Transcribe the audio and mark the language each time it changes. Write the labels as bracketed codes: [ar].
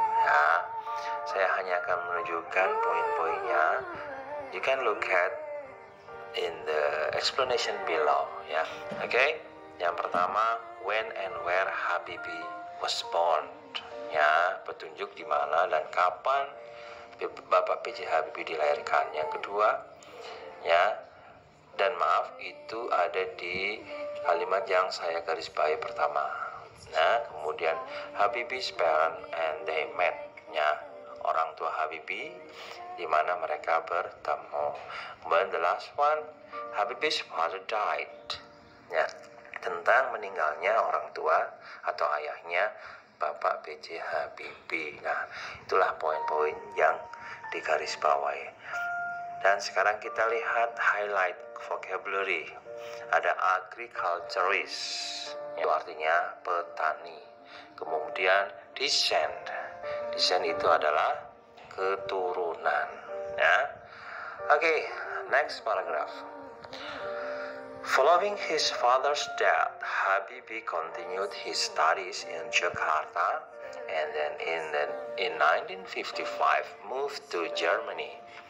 [id] Ya, saya hanya akan menunjukkan poin-poinnya. [en] You can look at in the explanation below. Ya, okay. [id] Yang pertama, [en] when and where Habibie was born. [id] Ya, petunjuk di mana dan kapan Bapak B.J. Habibie dilahirkan. Yang kedua, ya, dan maaf, itu ada di kalimat yang saya garis bawahi pertama. Nah, kemudian [en] Habibie's parents and they met, [id] ya, orang tua Habibie, di mana mereka bertemu. Kemudian [en] the last one, Habibie's father died, [id] ya, tentang meninggalnya orang tua atau ayahnya Bapak B.J. Habibie. Nah, itulah poin-poin yang di garis bawahi. Dan sekarang kita lihat [en] highlight vocabulary. [id] Ada agriculturist, itu artinya petani. Kemudian descent. Descent itu adalah keturunan, ya. [en] Okay, next paragraph. Following his father's death, Habibie continued his studies in Jakarta and then in 1955 moved to Germany.